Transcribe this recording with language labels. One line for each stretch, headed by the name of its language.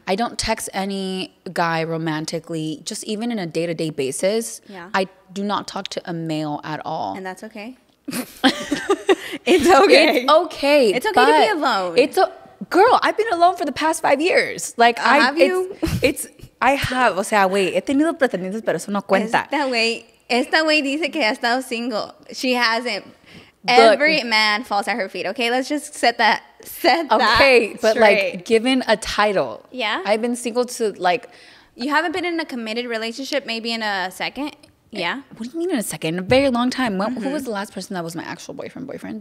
English: I don't text any guy romantically, just even in a day-to-day basis. Yeah. I do not talk to a male at all. And that's okay? It's okay. It's okay. It's okay to be alone. It's a girl, I've been alone for the past 5 years. Like, Have you? I have,
Spanish: o sea, wait, he tenido pretendientes, pero eso no cuenta. Esta wey dice que ha estado single.
English: She hasn't. Every man falls at her feet. Okay, let's just set that straight. Okay, but like, given a title. Yeah. I've been single to like. You haven't been in a committed relationship, maybe in a second? Yeah. What do you mean in a second? A very long time. When, who was the last person that was my actual boyfriend?